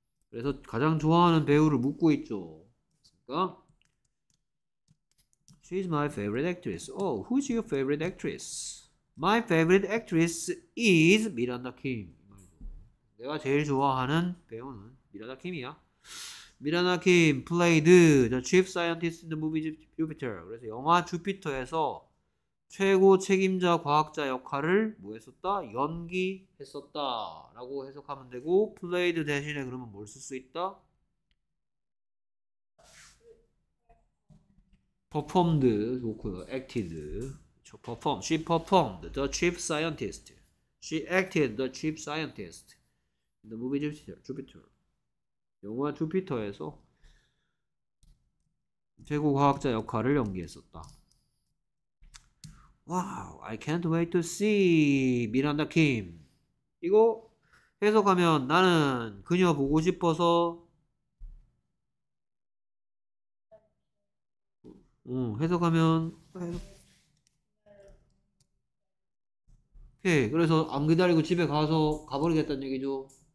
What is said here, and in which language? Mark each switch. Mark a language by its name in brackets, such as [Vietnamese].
[Korean] 그래서 가장 좋아하는 배우를 묻고 있죠. 그러니까 [English] She's my favorite actress. Oh, who is your favorite actress? My favorite actress is 미란다 킴. [Korean] 내가 제일 좋아하는 배우는 미란다 킴이야. [English] 미라나 킴 played the chief scientist in the movie Jupiter. [Korean] 그래서 영화 주피터에서 최고 책임자 과학자 역할을 뭐 했었다? 연기했었다라고 해석하면 되고 played 대신에 그러면 뭘쓸수 있다? [English] performed [Korean] 좋고요. [English] acted. 저 perform. She performed the chief scientist. She acted the chief scientist in the movie Jupiter. [Korean] 영화 주피터에서 최고 과학자 역할을 연기했었다. [English] 와우, I can't wait to see 미란다 킴. [Korean] 이거 해석하면 나는 그녀 보고 싶어서 오케이, 그래서 안 기다리고 집에 가서 가버리겠다는 얘기죠.